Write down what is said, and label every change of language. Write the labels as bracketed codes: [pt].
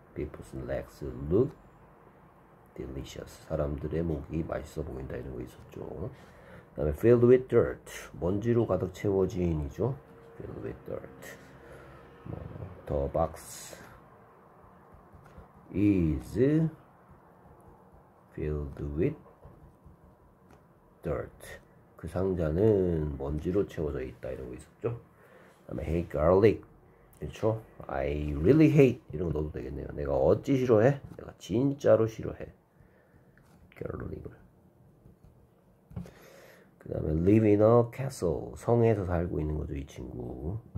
[en] People's necks look delicious. [ko] 사람들의 목이 맛있어 보인다 이런 거 있었죠. 그다음에 [en] filled with dirt. [ko] 먼지로 가득 채워진이죠. [en] filled with dirt. 뭐, the box is filled with dirt. [ko] 그 상자는 먼지로 채워져 있다 이런 거 있었죠. 그다음에 [en] hate garlic. [ko] 그렇죠? [en] I really hate [ko] 이런 거 넣어도 되겠네요. 내가 어찌 싫어해? 내가 진짜로 싫어해. 결론이고요. 그 다음에 [en] live in a castle. [ko] 성에서 살고 있는 거죠, 이 친구.